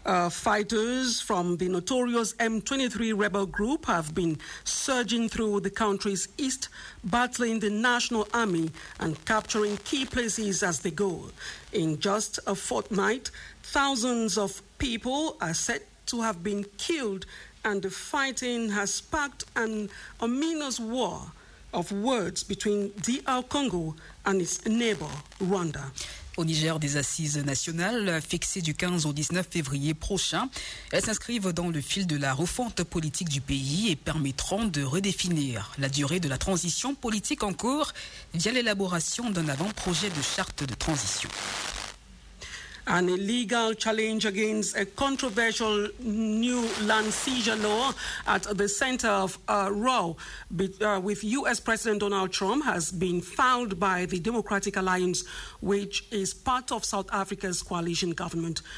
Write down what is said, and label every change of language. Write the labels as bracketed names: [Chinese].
[English] Fighters from the notorious M23 rebel group have been surging through the country's east, battling the National Army and capturing key places as they go. In just a fortnight, thousands of people are said to have been killed, and the fighting has sparked an ominous war of words between DR Congo and its neighbor, Rwanda. [French] Au Niger, des assises nationales fixées du 15 au 19 février prochain. Elles s'inscrivent dans le fil de la refonte politique du pays et permettront de redéfinir la durée de la transition politique en cours via l'élaboration d'un avant-projet de charte de transition. [English] An illegal challenge against a controversial new land seizure law at the center of a row with U.S. President Donald Trump has been filed by the Democratic Alliance, which is part of South Africa's coalition government.